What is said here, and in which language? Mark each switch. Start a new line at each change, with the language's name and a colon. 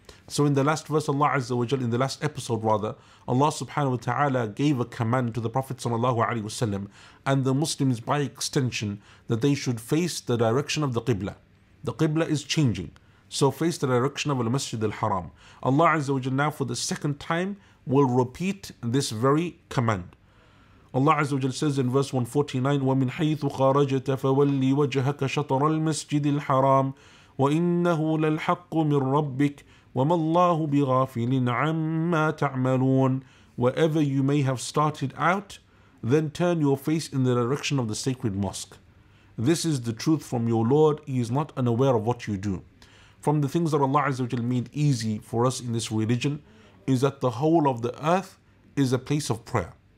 English: So in the last verse, Allah Azza wa Jalla, in the last episode rather, Allah subhanahu wa ta'ala gave a command to the Prophet sallallahu alayhi wa sallam and the Muslims by extension, that they should face the direction of the Qibla. The Qibla is changing. So face the direction of Al-Masjid-Al-Haram. Allah Azza wa Jalla now for the second time will repeat this very command. Allah Azza wa Jalla says in verse 149,
Arabic: وَمِنْ حَيْثُ خَارَجَتَ فَوَلِّي وَجْهَكَ شَطْرَ الْمَسْجِدِ الْحَرَامِ وَإِنَّهُ لَلْحَقُّ مِنْ رَبِّكَ وَمَا اللَّهُ بِغَافِلٍ عَمَّا تَعْمَلُونَ.
English: Wherever you may have started out, then turn your face in the direction of the sacred mosque. This is the truth from your Lord. He is not unaware of what you do. From the things that Allah Azza wa Jalla made easy for us in this religion is that the whole of the earth is a place of prayer.